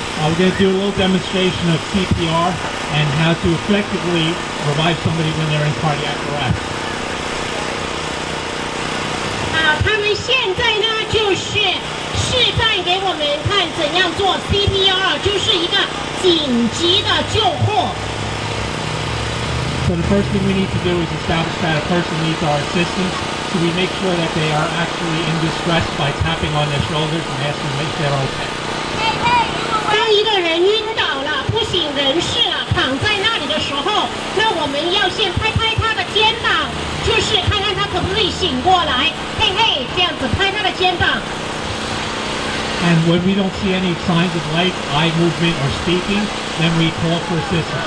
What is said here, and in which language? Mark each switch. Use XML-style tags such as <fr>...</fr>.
<en>We're going to do a little demonstration of CPR and how to effectively revive somebody when they're in cardiac arrest.</en> <zh>他们现在呢就是示范给我们看怎样做 CPR， 就是一个紧急的救护。</zh> <en>So the first thing we need to do is establish that a person needs our assistance. So we make sure that they are actually in distress by tapping on their shoulders and asking if they're okay.</en> <zh>当一个人晕倒了，不省人事了，躺在那里的时候，那我们要先拍拍他的肩膀，就是看看他可不可以醒过来。嘿嘿，这样子拍他的肩膀。</zh> <en>And when we don't see any signs of life, eye movement, or speaking, then we call for assistance.</en>